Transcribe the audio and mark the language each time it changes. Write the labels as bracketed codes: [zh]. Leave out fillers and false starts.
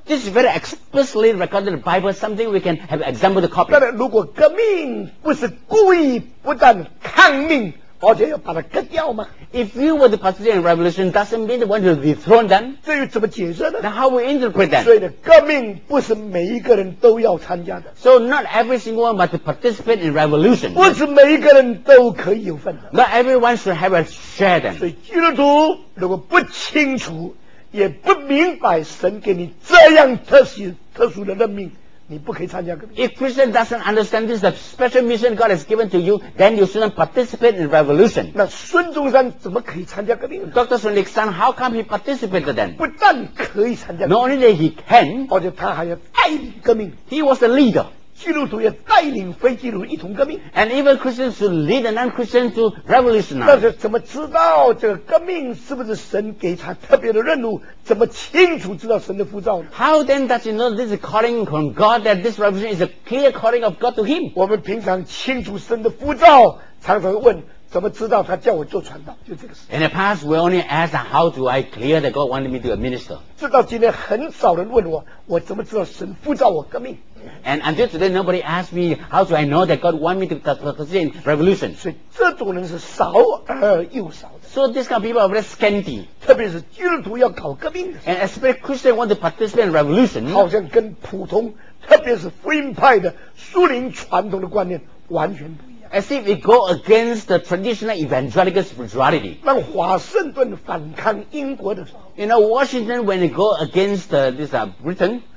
[en] This is very explicitly recorded in the Bible, something we can have example to copy. [zh] 但是如果革命不是故意不但抗命，而且要把它割掉吗？ [en] If you were to participate in revolution, doesn't mean the one will dethrone them. [zh] 这又怎么解释呢？ [en] Now how we interpret that? [zh] 所以呢，革命不是每一个人都要参加的。 [en] So not every single one must participate in revolution. [zh] 不是每一个人都可以有份的。 [en] Not everyone should have a share then. [zh] 所以基督徒如果不清楚，也不明白神给你这样特殊的任命，你不可以参加革命。 [en] If Christian doesn't understand this, the special mission God has given to you, then you shouldn't participate in revolution. [zh] 那孙中山怎么可以参加革命呢？ [en] Dr. Sun Lik-san, how come he participated then? [zh] 不但可以参加革命， [en] Not only that he can, [zh] 而且他还要带领革命。 [en] He was the leader. [zh] 基督徒也带领非基督徒一同革命。 [en] And even Christians should lead the non-Christian to revolution. [zh] 但是怎么知道这个革命是不是神给他特别的任务？怎么清楚知道神的呼召？ [en] How then does he know this is calling from God, that this revolution is a clear calling of God to him? [zh] 我们平常清楚神的呼召，常常问怎么知道他叫我做传道，就这个事。 [en] In the past, we only asked how do I clear that God wanted me to be a minister. [zh] 直到今天很少人问我，我怎么知道神呼召我革命？ [en] And until today, nobody asked me how do I know that God wants me to participate in revolution. [zh] 所以这种人是少而又少的。 [en] So these kind of people are very scanty. [zh] 特别是基督徒要搞革命的。 [en] And especially Christians want to participate in revolution. [zh] 好像跟普通，特别是福音派的属灵传统的观念完全不一样。 [en] As if it go against the traditional evangelical spirituality. [zh] 让华盛顿反抗英国的时候， [en] You know, Washington when it go against Britain.